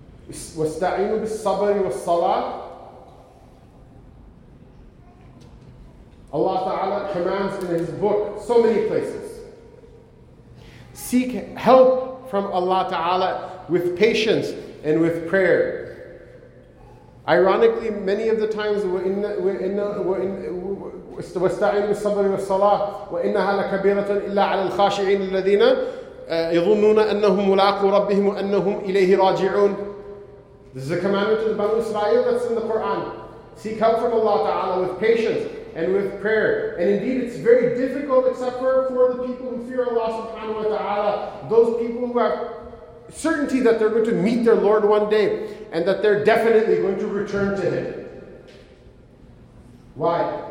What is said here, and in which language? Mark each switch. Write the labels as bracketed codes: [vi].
[ar] وَاسْتَعِينُوا بِالصَّبَرِ وَالصَّلَاةِ. [en] Allah Ta'ala commands in His book so many places. Seek help from Allah Ta'ala with patience and with prayer. Ironically, many of the times [ar] وَاسْتَعِينُوا بِالصَّبَرِ وَالصَّلَاةِ وَإِنَّهَا لَكَبِيرَةً إِلَّا عَلَى الْخَاشِعِينَ الَّذِينَ يَظُنُّونَ أَنَّهُمْ مُلَاقُوا رَبِّهِمْ وَأَنَّهُمْ إِلَيْهِ رَاجِعُونَ. [en] This is a commandment to the Banu Israel that's in the Quran. Seek help from Allah Ta'ala with patience and with prayer. And indeed, it's very difficult except for the people who fear Allah Subhanahu Wa Ta'ala. Those people who have certainty that they're going to meet their Lord one day and that they're definitely going to return to Him. Why?